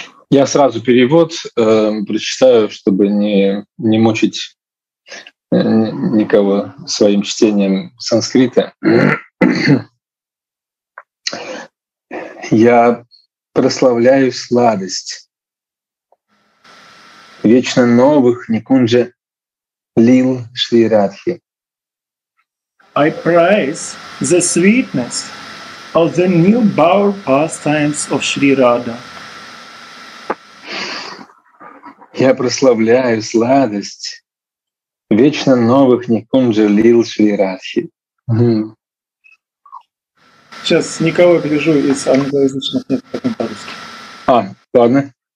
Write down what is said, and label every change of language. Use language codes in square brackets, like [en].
[ru] Я сразу перевод прочитаю, чтобы не мучить никого своим чтением санскрита. Я прославляю сладость вечно новых Никунджа Лил Шри Радхи. [en] I praise the sweetness of the new bower pastimes of Shri Radha. [ru] Я прославляю сладость вечно новых Никунджа Лил Шри Радхи. Сейчас никого гляжу из англоязычных нет по по-русски. А, ладно.